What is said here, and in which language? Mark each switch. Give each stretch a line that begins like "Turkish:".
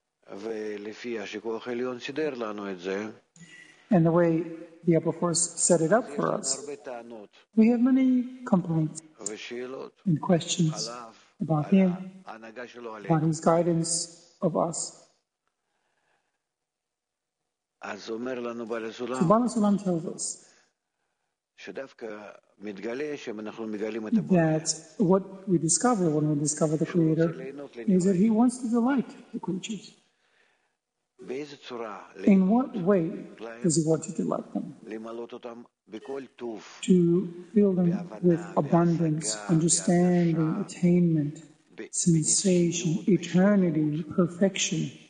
Hebrew: ולפי השיקוח העליון סידר לנו את זה.
English: And the way the upper force set it up for us, we have many complaints
Hebrew: ושאלות.
English: And questions
Hebrew: עליו,
English: about him,
Hebrew: ההנהגה שלו עלינו.
English: About his guidance of us.
Hebrew: אז אומר לנו בעל הסולם,
English: so בעל הסולם tells us
Hebrew: שדווקא מתגלה שאנחנו מגלים את הבורא.
English: That what we discover when we discover the Creator is that he wants to delight the creatures.
Hebrew: באיזה צורה?
English: In what way does he want to delight them?
Hebrew: למלות אותם בכל טוב.
English: To fill them with abundance, understanding, attainment, sensation, eternity, perfection.